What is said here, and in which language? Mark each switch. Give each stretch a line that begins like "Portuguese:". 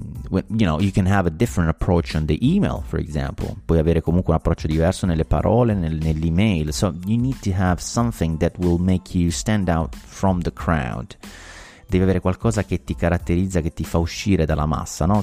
English: You can have a different approach on the email, for example.
Italian: Puoi avere comunque un approccio diverso nelle parole, nell'email.
English: So you need to have something that will make you stand out from the crowd.
Italian: Devi avere qualcosa che ti caratterizza, che ti fa uscire dalla massa, no?